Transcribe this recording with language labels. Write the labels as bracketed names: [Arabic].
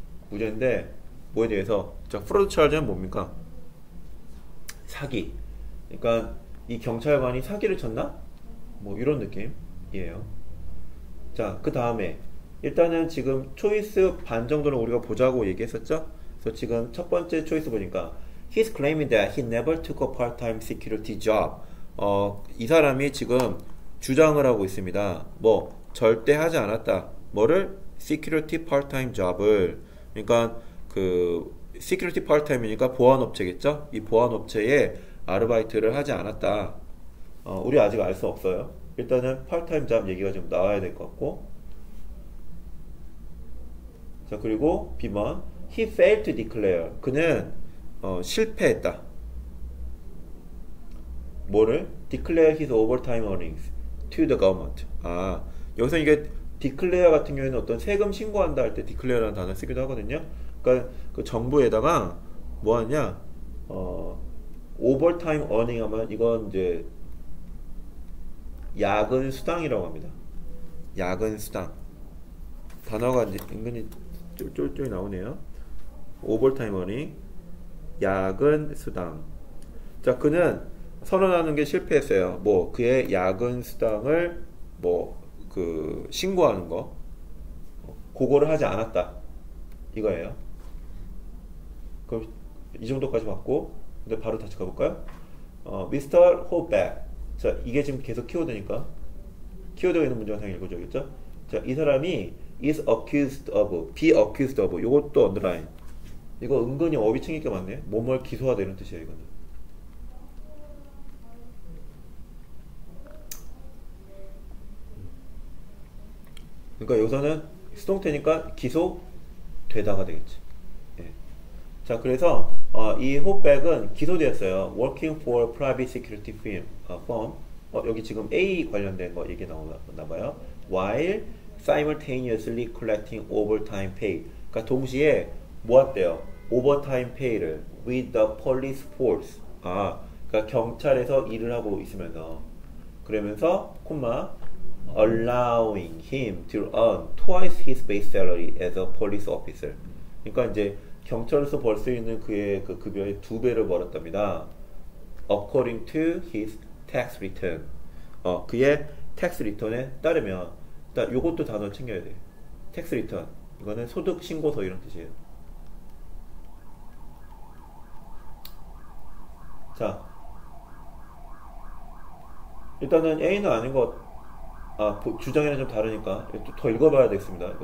[Korean] 무죄인데, 뭐에 대해서? 자, fraud charges는 뭡니까? 사기. 그러니까 이 경찰관이 사기를 쳤나? 뭐 이런 느낌이에요. 자, 그 다음에 일단은 지금 초이스 반 정도는 우리가 보자고 얘기했었죠? 그래서 지금 첫 번째 초이스 보니까 [English] He's claiming that he never took a part-time security job. [Korean] 이 사람이 지금 주장을 하고 있습니다. 뭐 절대 하지 않았다. 뭐를? [English] Security part-time job을. [Korean] 그러니까 그 시큐리티 파트타임이니까 보안 업체겠죠? 이 보안 업체에 아르바이트를 하지 않았다. 우리 아직 알수 없어요. 일단은 파트타임 잡 얘기가 좀 나와야 될것 같고. 자, 그리고 B번. [English] He failed to declare. [Korean] 그는 실패했다. 뭐를? [English] Declare his overtime earnings to the government. [Korean] 아, 여기서 이게 declare 같은 경우에는 어떤 세금 신고한다 할때 declare라는 단어 쓰기도 하거든요. 그러니까 그 정부에다가 뭐 하냐? 오버타임 어닝 하면 이건 이제 야근 수당이라고 합니다. 야근 수당. 단어가 이제 은근히 쫄쫄쫄 나오네요. 오버타임 어닝, 야근 수당. 자, 그는 선언하는 게 실패했어요. 뭐 그의 야근 수당을 뭐그 신고하는 거, 그거를 하지 않았다 이거예요. 그럼 이 정도까지 봤고, 근데 바로 다시 가볼까요? [English] Mr. Hogback. [Korean] 자, 이게 지금 계속 키워드니까 키워드가 있는 문장을 당연히 읽어줘야겠죠? 자, 이 사람이 [English] is accused of, be accused of. [Korean] 요것도 언더라인. 이거 은근히 어휘 챙길 게 많네. 뭐뭘 기소하다 이런 뜻이야 이거는. 그러니까 여기서는 수동태니까 기소되다가 되겠지. 자, 그래서 이 호백은 기소되었어요. [English] Working for private security firm. [Korean] 여기 지금 A 관련된 거 얘기 나오나 봐요. [English] While simultaneously collecting overtime pay. [Korean] 그러니까 동시에 모았대요. [English] Overtime pay를 with the police force. [Korean] 아, 그러니까 경찰에서 일을 하고 있으면서. 그러면서 콤마 [English] allowing him to earn twice his base salary as a police officer. [Korean] 그러니까 이제 경찰에서 벌수 있는 그의 그 급여의 두 배를 벌었답니다. [English] According to his tax return. [Korean] 그의 tax return에 따르면, 일단 요것도 단어 챙겨야 돼. [English] tax return. [Korean] 이거는 소득 신고서 이런 뜻이에요. 자. 일단은 A는 아닌 것, 주장에는 좀 다르니까 더 읽어봐야 되겠습니다.